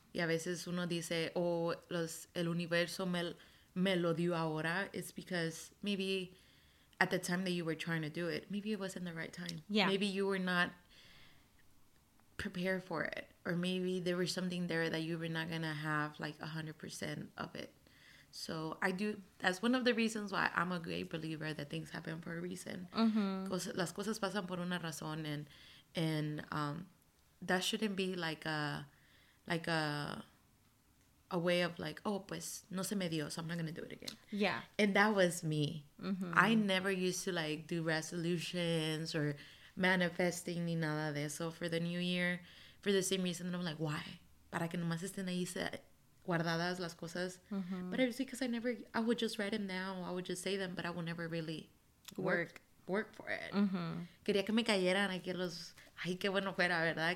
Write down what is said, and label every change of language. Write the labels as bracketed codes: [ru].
[es] Y a veces uno dice, el universo me lo dio ahora. [en] It's because maybe at the time that you were trying to do it, maybe it wasn't the right time. Yeah. Maybe you were not prepared for it. Or maybe there was something there that you were not going to have like 100% of it. So I do, that's one of the reasons why I'm a great believer that things happen for a reason. [es] Las cosas pasan por una razón, [en] and that shouldn't be like a way of like, oh, [es] pues no se me dio, [en] so I'm not going to do it again. Yeah. And that was me. I never used to like do resolutions or manifesting [es] ni nada de eso [en] for the new year, for the same reason that I'm like, why? [es] Para que nomás estén ahí guardadas las cosas. [en] But it's because I would just write them down, I would just say them, but I would never really work for it. [es] Quería que me cayeran aquí los, ay, qué bueno fuera, ¿verdad?